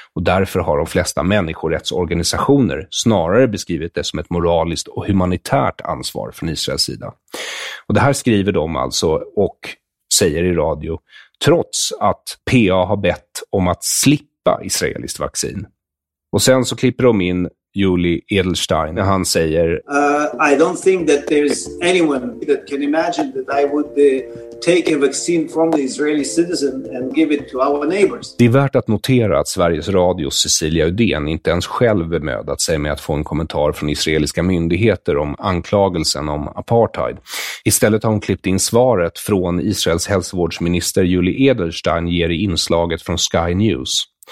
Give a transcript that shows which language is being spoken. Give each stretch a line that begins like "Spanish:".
Swedish: Och därför har de flesta människorättsorganisationer snarare beskrivit det som ett moraliskt och humanitärt ansvar från Israels sida. Och det här skriver de alltså och säger i radio, trots att PA har bett om att slippa israeliskt vaccin. Och sen så klipper de in Yuli Edelstein, när han säger:
English: I don't think that there's anyone that can imagine that I would take a vaccine from the Israeli citizen and give it to our neighbors.
Swedish: Det är värt att notera att Sveriges Radios Cecilia Udén inte ens själv bemödat sig med att få en kommentar från israeliska myndigheter om anklagelsen om apartheid. Istället har hon klippt in svaret från Israels hälsovårdsminister Yuli Edelstein ger i inslaget från Sky News.